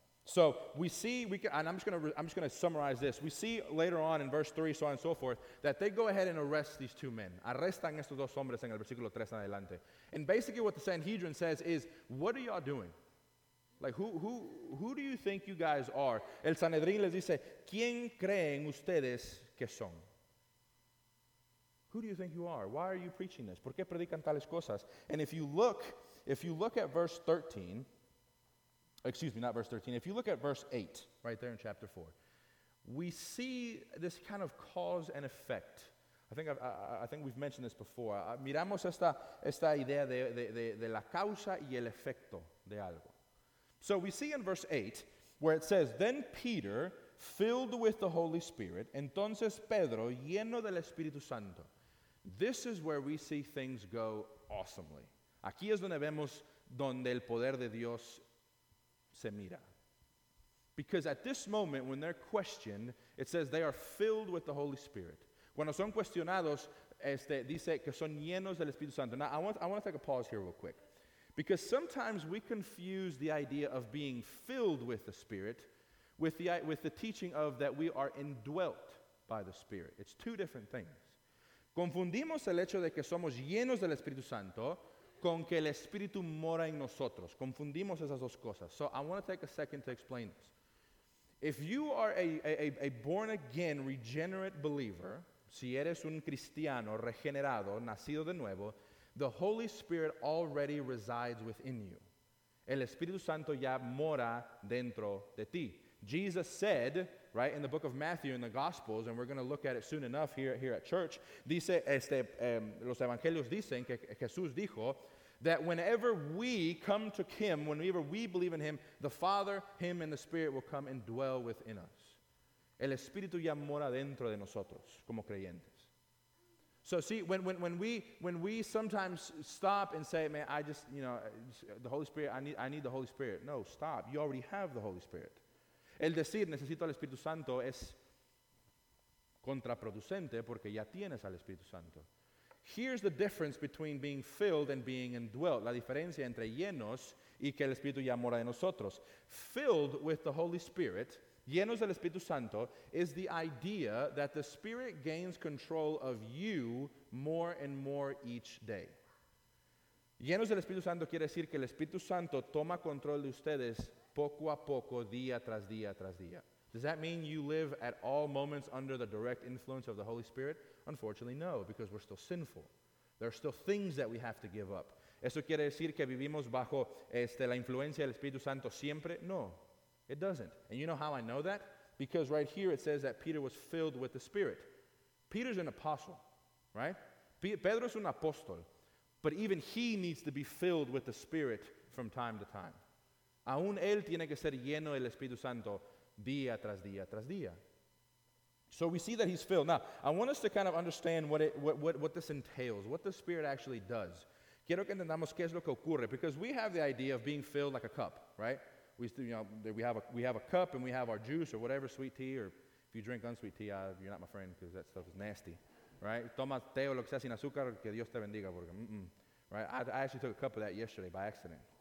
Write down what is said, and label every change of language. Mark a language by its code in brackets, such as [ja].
[en] So we see, I'm just going to summarize this. We see later on in verse 3, so on and so forth, that they go ahead and arrest these two men. [es] Arrestan estos dos hombres en el versículo 3 en adelante. [en] And basically what the Sanhedrin says is, what are y'all doing? Like, who do you think you guys are? [es] El Sanhedrin les dice, ¿quién creen ustedes que son? [en] Who do you think you are? Why are you preaching this? [es] ¿Por qué predican tales cosas? [en] And if you look at verse 13, excuse me, not verse 13, if you look at verse 8, right there in chapter 4, we see this kind of cause and effect. I think we've mentioned this before. [es] Miramos esta idea de la causa y el efecto de algo. [en] So we see in verse 8 where it says, then Peter, filled with the Holy Spirit, [es] entonces Pedro, lleno del Espíritu Santo. [en] This is where we see things go awesomely. [es] Aquí es donde vemos donde el poder de Dios se mira. [en] Because at this moment, when they're questioned, it says they are filled with the Holy Spirit. [es] Cuando son cuestionados, dice que son llenos del Espíritu Santo. [en] Now, I want to take a pause here real quick. Because sometimes we confuse the idea of being filled with the Spirit with the teaching of that we are indwelt by the Spirit. It's two different things. [es] Confundimos el hecho de que somos llenos del Espíritu Santo con que el Espíritu mora en nosotros. Confundimos esas dos cosas. [en] So I want to take a second to explain this. If you are a born-again, regenerate believer, [es] si eres un cristiano regenerado, nacido de nuevo, [en] the Holy Spirit already resides within you. [es] El Espíritu Santo ya mora dentro de ti. [en] Jesus said, right, in the book of Matthew, in the Gospels, and we're going to look at it soon enough here at church, [es] dice, los evangelios dicen que Jesús dijo [en] that whenever we come to him, whenever we believe in him, the Father, him, and the Spirit will come and dwell within us. [es] El Espíritu ya mora dentro de nosotros como creyentes. [en] So see, when we sometimes stop and say, man, I just, you know, the Holy Spirit, I need the Holy Spirit. No, stop. You already have the Holy Spirit. [es] El decir, necesito al Espíritu Santo es contraproducente porque ya tienes al Espíritu Santo. [en] Here's the difference between being filled and being indwelt. [es] La diferencia entre llenos y que el Espíritu ya mora en nosotros. [en] Filled with the Holy Spirit, [es] llenos del Espíritu Santo, [en] is the idea that the Spirit gains control of you more and more each day. [es] Llenos del Espíritu Santo quiere decir que el Espíritu Santo toma control de ustedes poco a poco, día tras día tras día. [en] Does that mean you live at all moments under the direct influence of the Holy Spirit? Unfortunately, no, because we're still sinful. There are still things that we have to give up. [es] ¿Eso quiere decir que vivimos bajo la influencia del Espíritu Santo siempre? [en] No. It doesn't. And you know how I know that? Because right here it says that Peter was filled with the Spirit. Peter's an apostle, right? [es] Pedro's un apóstol. [en] But even he needs to be filled with the Spirit from time to time. [es] Aún él tiene que ser lleno del Espíritu Santo día tras día tras día. [en] So we see that he's filled. Now, I want us to kind of understand what this entails, what the Spirit actually does. [es] Quiero que entendamos qué es lo que ocurre. [en] Because we have the idea of being filled like a cup, right? We have a cup and we have our juice or whatever, sweet tea, or if you drink unsweet tea, you're not my friend because that stuff is nasty, right? [es] Toma té o lo que sea sin azúcar, que Dios te bendiga, porque right? [en] I actually took a cup of that yesterday by accident.